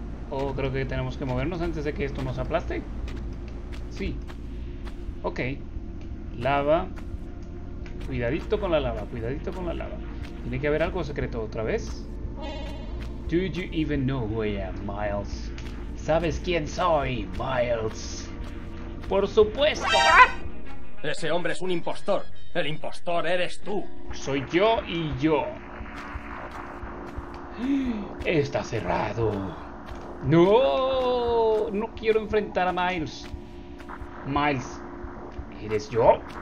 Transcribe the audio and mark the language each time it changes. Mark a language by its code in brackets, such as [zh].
[es] Oh, creo que tenemos que movernos antes de que esto nos aplaste. Sí. Ok. Lava. Cuidadito con la lava, cuidadito con la lava. Tiene que haber algo secreto otra vez. [en] Do you even know who I am, Miles? [es] ¿Sabes quién soy, Miles? ¡Por supuesto! Ese hombre es un impostor. El impostor eres tú. Soy yo y yo. Está cerrado. ¡No! No quiero enfrentar a Miles. Miles, ¿eres yo?